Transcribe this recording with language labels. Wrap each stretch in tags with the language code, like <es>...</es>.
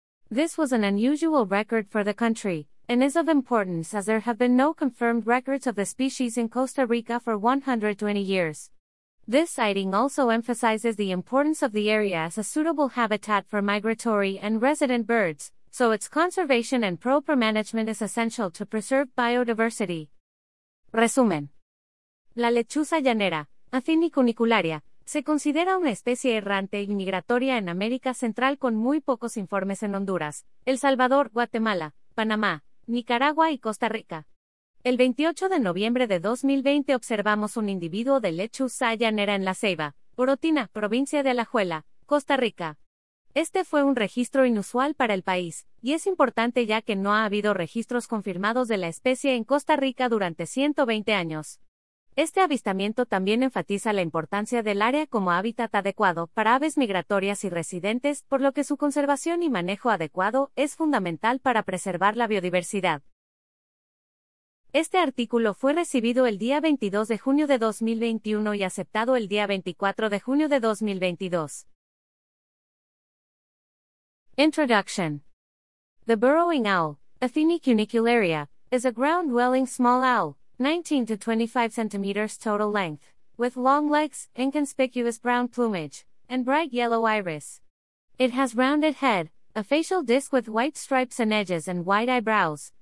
<en>This was an unusual record for the country, and is of importance as there have been no confirmed records of the species in Costa Rica for 120 years. This sighting also emphasizes the importance of the area as a suitable habitat for migratory and resident birds, so its conservation and proper management is essential to preserve biodiversity.</en> <es>Resumen. La lechuza llanera, Affini cunicularia, se considera una especie errante y migratoria en América Central con muy pocos informes en Honduras, El Salvador, Guatemala, Panamá, Nicaragua y Costa Rica. El 28 de noviembre de 2020 observamos un individuo de lechuza llanera en La Ceiba, Orotina, provincia de Alajuela, Costa Rica. Este fue un registro inusual para el país, y es importante ya que no ha habido registros confirmados de la especie en Costa Rica durante 120 años. Este avistamiento también enfatiza la importancia del área como hábitat adecuado para aves migratorias y residentes, por lo que su conservación y manejo adecuado es fundamental para preservar la biodiversidad. Este artículo fue recibido el día 22 de junio de 2021 y aceptado el día 24 de junio de 2022.</es> <en>Introduction. The burrowing owl, Affini cunicularia, is a ground-dwelling small owl, 19 to 25 centimeters total length, with long legs, inconspicuous brown plumage, and bright yellow iris. It has rounded head, a facial disc with white stripes and edges, and wide eyebrows.</en>